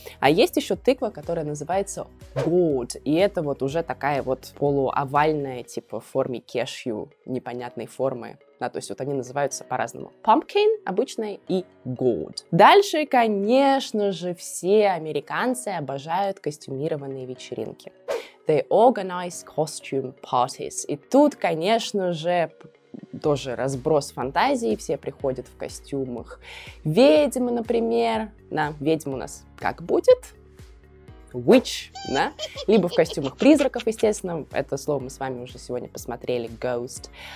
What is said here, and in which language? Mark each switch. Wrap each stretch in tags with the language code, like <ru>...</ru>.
<ru>А есть еще тыква, которая называется gourd. И это вот уже такая вот полуовальная, типа в форме кешью, непонятной формы. Да, то есть вот они называются по-разному. Pumpkin обычная и gourd. Дальше, конечно же, все американцы обожают костюмированные вечеринки.</ru> <en>They organize costume parties.</en> <ru>И тут, конечно же, тоже разброс фантазии, все приходят в костюмах ведьмы, например, на ведьму у нас как будет? Witch, да? Либо в костюмах призраков, естественно, это слово мы с вами уже сегодня посмотрели, ghost.</ru>